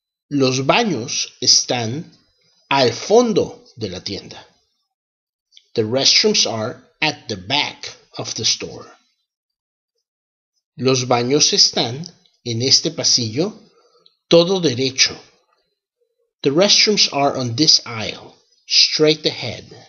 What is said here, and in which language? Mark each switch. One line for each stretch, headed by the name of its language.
Spanish: Los baños están al fondo de la tienda.
English: The restrooms are at the back of the store.
Spanish: Los baños están en este pasillo todo derecho.
English: The restrooms are on this aisle, straight ahead.